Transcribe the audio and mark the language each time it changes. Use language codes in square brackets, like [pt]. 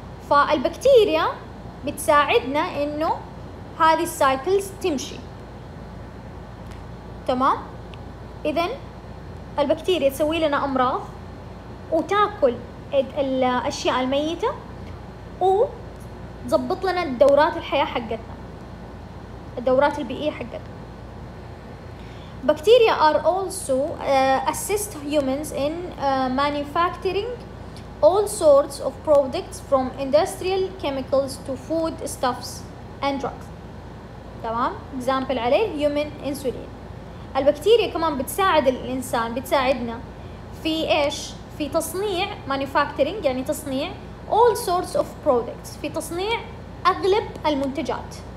[ar] فالبكتيريا بتساعدنا انه هذه السايكلز تمشي، تمام؟ اذا البكتيريا تسوي لنا امراض وتاكل الاشياء الميتة و تضبط لنا الدورات الحياة حقتنا، الدورات البيئية حقتنا. [en] Bacteria are also assist humans in manufacturing all sorts of products from industrial chemicals to food stuffs and drugs. [ar] تمام؟ example عليه human insulin. البكتيريا كمان بتساعد الإنسان، بتساعدنا في إيش؟ في تصنيع manufacturing، يعني تصنيع [en] all sorts of products، [ar] في تصنيع أغلب المنتجات.